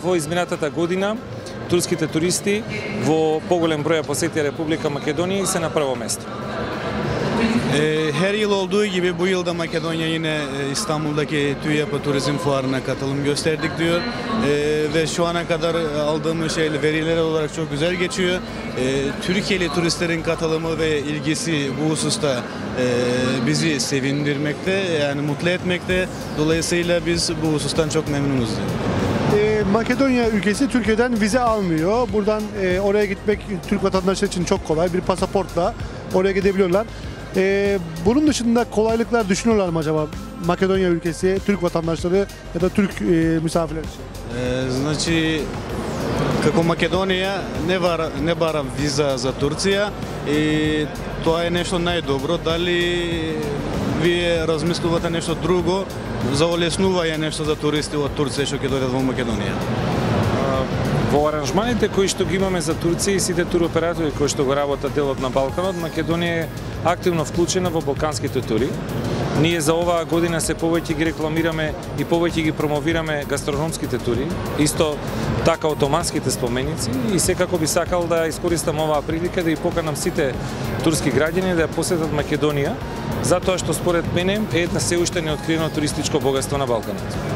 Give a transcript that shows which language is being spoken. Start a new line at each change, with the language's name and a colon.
Macedonian: Во изминатата година турските туристи во поголем број посетија Република Македонија се на прво место.
Turkish: Her yıl olduğu gibi bu yılda Makedonya yine İstanbul'daki TÜYAP Turizm Fuarı'na katılım gösterdik diyor. Ve şu ana kadar aldığımız veriler olarak çok güzel geçiyor. Türkiye'li turistlerin katılımı ve ilgisi bu hususta bizi sevindirmekte, yani mutlu etmekte. Dolayısıyla biz bu husustan çok memnunuz diyor. Makedonya ülkesi Türkiye'den vize almıyor. Buradan oraya gitmek Türk vatandaşları için çok kolay. Bir pasaportla oraya gidebiliyorlar. Bunun dışında kolaylıklar düşünüyorlar mı acaba Makedonya ülkesi, Türk vatandaşları ya da Türk misafirler için?
Macedonian: Znači, kako Makedonija ne bara viza za Turcija i to je nešto najdobro. Da li vi razmisluvate nešto drugo za olesnuvaje nešto za turisti od Turcije što će dođe u Makedoniju? Во аранжманите кои што ги имаме за Турција и сите туроператори кои што го работат делот на Балканот, Македонија е активно вклучена во балканските тури. Ние за оваа година се повеќе ги рекламираме и повеќе ги промовираме гастрономските тури, исто така отоманските споменици, и секако би сакал да искористам оваа прилика да ја поканам сите турски граѓани да ја посетат Македонија, затоа што според мене е една се уште неоткриено туристичко богатство на Балканот.